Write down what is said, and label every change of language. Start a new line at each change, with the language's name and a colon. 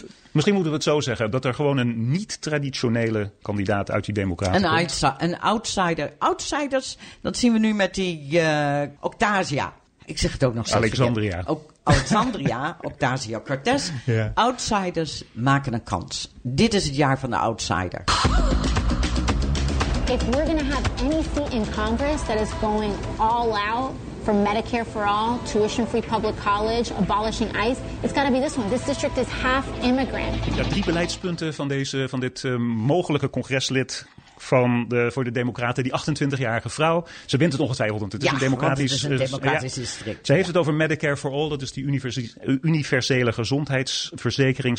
Dutch: Misschien moeten we het zo zeggen, dat er gewoon een niet-traditionele kandidaat uit die Democraten komt. Een outsider. Outsiders, dat zien we nu met die Octasia. Ik zeg het ook nog steeds. Alexandria. Alexandria, Ocasio-Cortez.
English: Yeah.
Dutch: Outsiders maken een kans. Dit is het jaar van de outsider.
English: If we're going to have any seat in Congress that is going all out for Medicare for all, tuition-free public college, abolishing ICE, it's got to be this one. This district is half immigrant.
Dutch: Ja, 3 beleidspunten van dit mogelijke congreslid voor de Democraten, die 28-jarige vrouw. Ze wint het ongetwijfeld, want het is een democratisch district. Ze heeft het over Medicare for All, dat is die universele gezondheidsverzekering.